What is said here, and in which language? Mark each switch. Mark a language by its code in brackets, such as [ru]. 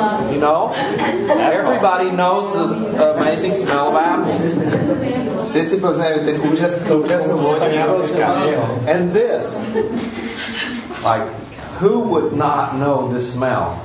[en] You know, everybody knows the amazing smell of apples. [sk] Všetci poznajú ten úžasnú vôňu jablčka. [en] And this, like, who would not know this smell?